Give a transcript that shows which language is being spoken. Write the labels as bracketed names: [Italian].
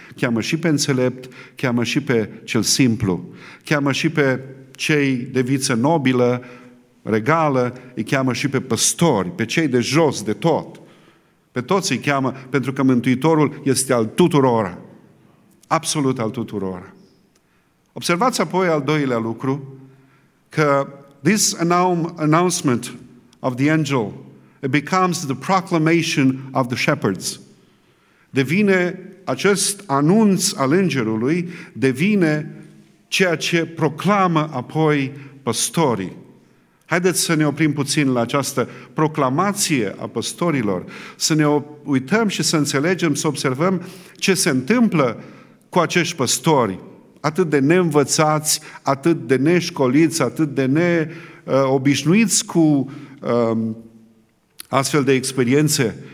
[Romanian] Cheamă și pe înțelept, cheamă și pe cel simplu. Cheamă și pe cei de viță nobilă, regală, îi cheamă și pe păstori, pe cei de jos, de tot. Pe toți îi cheamă, pentru că Mântuitorul este al tuturor. Absolut al tuturor. Observați apoi al doilea lucru, că [English] this announcement of the angel, it becomes the proclamation of the shepherds. [Romanian] Devine acest anunț al îngerului, devine ceea ce proclamă apoi păstorii. Haideți să ne oprim puțin la această proclamație a păstorilor, să ne uităm și să înțelegem, să observăm ce se întâmplă cu acești păstori, atât de neînvățați, atât de neșcoliți, atât de neobișnuiți cu astfel de experiențe.